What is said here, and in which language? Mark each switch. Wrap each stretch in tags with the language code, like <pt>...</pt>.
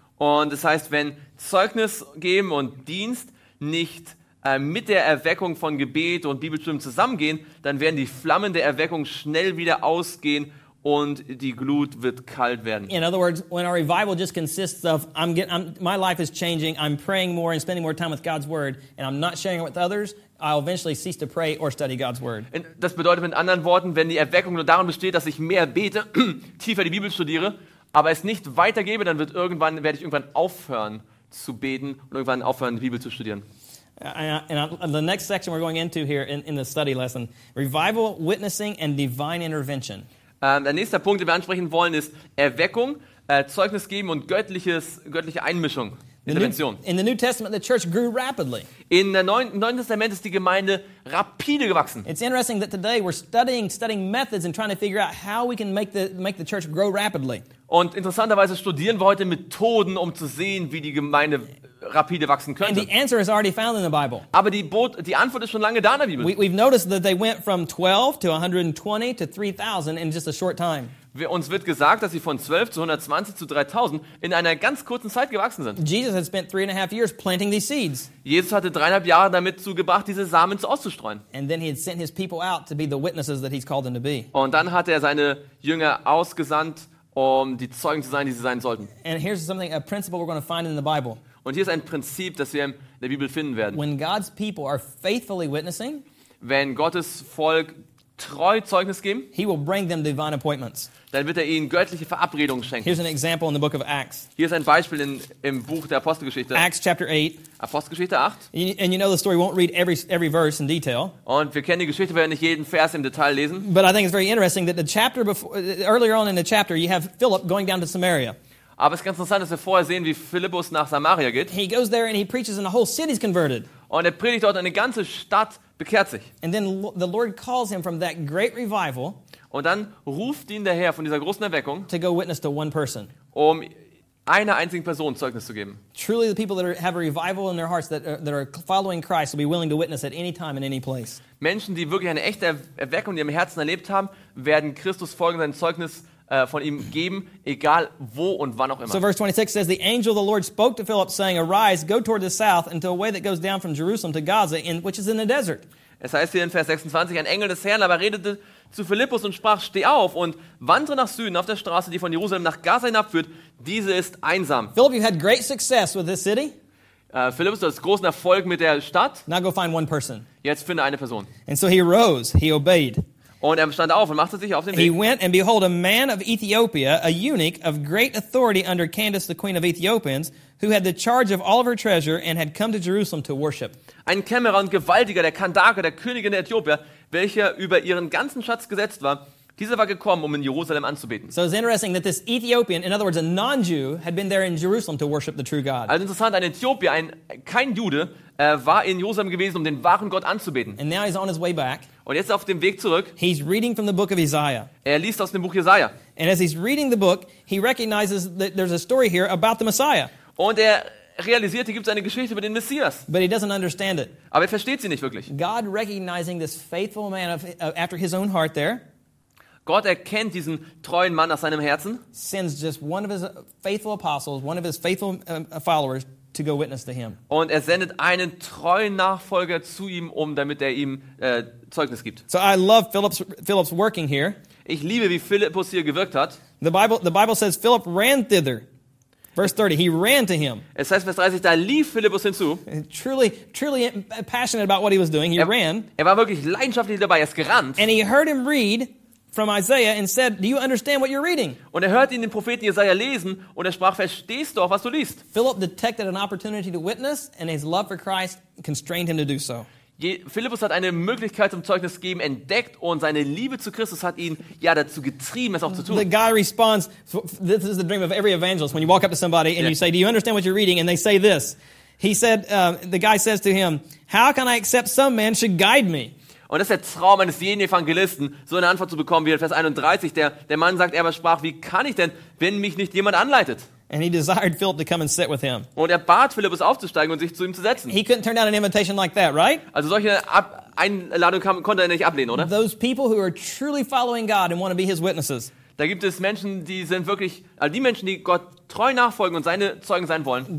<de>Und das heißt, wenn Zeugnis geben und Dienst nicht mit der Erweckung von Gebet und Bibelstudium zusammengehen, dann werden die Flammen der Erweckung schnell wieder ausgehen und die Glut wird kalt werden.</de> <en>In other words, when our revival just consists of my life is changing, I'm praying more and spending more time with God's word and I'm not sharing it with others, I'll eventually cease to pray or study God's word.</en> <de>Und das bedeutet mit anderen Worten, wenn die Erweckung nur darin besteht, dass ich mehr bete, tiefer die Bibel studiere, aber es nicht weitergebe, dann werde ich irgendwann aufhören zu beten und irgendwann aufhören die Bibel zu studieren.</de> <en>And the next section we're going into here in the study lesson, revival, witnessing and divine intervention.</en> <de>Der nächste Punkt, den wir ansprechen wollen, ist Erweckung, Zeugnis geben und göttliche Einmischung, Intervention.</de> <en>In the New Testament, the church grew rapidly.</en> <de>In der Neuen Testament ist die Gemeinde rapide gewachsen.</de> <en>It's interesting that today we're studying methods and trying to figure out how we can make the church grow rapidly.</en> <de>Und interessanterweise studieren wir heute Methoden, um zu sehen, wie die Gemeinde rapide wachsen könnte.</de> <en>And the answer is already found in the Bible.</en> <de>Aber die Antwort ist schon lange da in der Bibel.</de> <en>We've noticed that they went from 12 to 120 to 3,000 in just a short time.</en> <de>Uns wird gesagt, dass sie von 12 zu 120 zu 3,000 in einer ganz kurzen Zeit gewachsen sind.</de> <en>Jesus had spent 3.5 years planting these seeds.</en> <de>Jesus hatte 3.5 Jahre damit zugebracht, diese Samen auszustreuen.</de> <en>And then he had sent his people out to be the witnesses that he's called them to be.</en> <de>Und dann hatte er seine Jünger ausgesandt, um die Zeugen zu sein, die sie sein sollten.</de> <en>And here's something, a principle we're going to find in the Bible.</en> <de>Und hier ist ein Prinzip, das wir in der Bibel finden werden.</de> <en>When God's people are faithfully witnessing,</en> <de>wenn Gottes Volk treu Zeugnis geben,</de> <en>he will bring them divine appointments.</en> <de>Dann wird er ihnen göttliche Verabredungen schenken.</de> <en>Here's an example in the book of Acts.</en> <de>Hier ist ein Beispiel im Buch der Apostelgeschichte.</de> <en>Acts chapter 8.</en> <de>Apostelgeschichte 8.</de> <en>And you know the story, won't read every verse in detail.</en> <de>Und wir kennen die Geschichte, werden nicht jeden Vers im Detail lesen.</de> <en>But I think it's very interesting that the chapter before, earlier on in the chapter, you have Philip going down to Samaria.</en> <de>Aber es ist ganz interessant, dass wir vorher sehen, wie Philippus nach Samaria geht.</de> <en>He goes there and he preaches and the whole city's converted.</en> <de>Und er predigt dort, eine ganze Stadt bekehrt sich.</de> <en>And then the Lord calls him from that great revival.</en> <de>Und dann ruft ihn der Herr von dieser großen Erweckung,</de> <en>to go witness to one person.</en> <de>Um einer einzigen Person Zeugnis zu geben.</de> <en>Truly the people that have a revival in their hearts that are following Christ will be willing to witness at any time in any place.</en> <de>Menschen, die wirklich eine echte Erweckung in ihrem Herzen erlebt haben, werden Christus folgen, sein Zeugnis von ihm geben, egal wo und wann auch immer.</de> <en>So verse 26 says, the angel of the Lord spoke to Philip, saying, arise, go toward the south, into a way that goes down from Jerusalem to Gaza, which is in the desert.</en> <de>Es heißt hier in Vers 26, ein Engel des Herrn aber redete zu Philippus und sprach, steh auf und wandre nach Süden auf der Straße, die von Jerusalem nach Gaza hinabführt. Diese ist einsam.</de> <en>Philip, you had great success with this city.</en> <de>Philippus, du hast großen Erfolg mit der Stadt.</de> <en>Now go find one person.</en> <de>Jetzt finde eine Person.</de> <en>And so he rose, he obeyed.</en> <de>Und er stand auf und machte sich auf den Weg.</de> <en>He went and behold a man of Ethiopia, a eunuch of great authority under Candace, the queen of Ethiopians, who had the charge of all of her treasure and had come to Jerusalem to worship.</en> <de>Ein Kämmerer und Gewaltiger, der Kandake, der Königin der Äthiopier, welcher über ihren ganzen Schatz gesetzt war, dieser war gekommen, um in Jerusalem anzubeten.</de> <en>So it's interesting that this Ethiopian, in other words, a non-Jew, had been there in Jerusalem to worship the true God.</en> <de>Also interessant, ein Äthiopier, kein Jude, war in Jerusalem gewesen, um den wahren Gott anzubeten.</de> <en>And now he's on his way back.</en> <de>Und jetzt auf dem Weg zurück.</de> <en>He's reading from the book of Isaiah.</en> <de>Er liest aus dem Buch Jesaja.</de> <en>And as he's reading the book, he recognizes that there's a story here about the Messiah.</en> <de>Und er realisiert, hier gibt es eine Geschichte über den Messias.</de> <en>But he doesn't understand it.</en> <de>Aber er versteht sie nicht wirklich.</de> <en>God recognizing this faithful man after his own heart there.</en> <de>Gott erkennt diesen treuen Mann aus seinem Herzen.</de> <en>Sends just one of his faithful apostles, one of his faithful followers to go witness to him.</en> <de>Und er sendet einen treuen Nachfolger zu ihm, um damit er ihm Zeugnis gibt.</de> <en>So I love Philip's working here.</en> <de>Ich liebe, wie Philippus hier gewirkt hat.</de> <en>The Bible says Philip ran thither. Verse 30, he ran to him.</en> <de>Es heißt Vers 30, da lief Philippus hinzu.</de> <en>Truly, truly passionate about what he was doing. He ran.</en> <de>Er war wirklich leidenschaftlich dabei, er ist gerannt.</de> <en>And he heard him read from Isaiah and said, "Do you understand what you're reading?"</en> <de>Und er hörte ihn den Propheten Jesaja lesen und er sprach, "Verstehst du auch, was du liest?"</de> <en>Philip detected an opportunity to witness and his love for Christ constrained him to do so.</en> <de>Philippus hat eine Möglichkeit zum Zeugnis geben entdeckt und seine Liebe zu Christus hat ihn ja dazu getrieben, es auch zu tun.</de> <en>The guy responds, this is the dream of every evangelist, when you walk up to somebody and you say, "Do you understand what you're reading?" and they say this. He said, the guy says to him, "How can I accept some man should guide me?"</en> <de>Und das ist der Traum eines jeden Evangelisten, so eine Antwort zu bekommen wie in Vers 31. Der Mann sagt, er versprach, wie kann ich denn, wenn mich nicht jemand anleitet?</de> <en>And he desired Philip to come and sit with him.</en> <de>Und er bat Philippus aufzusteigen und sich zu ihm zu setzen.</de> <en>He couldn't turn down an invitation like that, right?</en> <de>Also solche Einladung konnte er nicht ablehnen, oder?</de> <en>Those people who are truly following God and want to be his witnesses.</en> <de>Da gibt es Menschen, die sind wirklich, also die Menschen, die Gott treu nachfolgen und seine Zeugen sein wollen.</de>